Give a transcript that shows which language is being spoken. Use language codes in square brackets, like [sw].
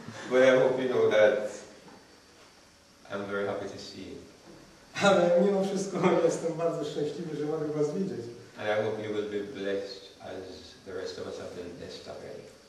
[en] But I hope you know that I'm very happy to see you. [pl] Ale mimo wszystko jestem bardzo szczęśliwy, że mogę was widzieć. [en] And I hope you will be blessed as the rest of us have been blessed already.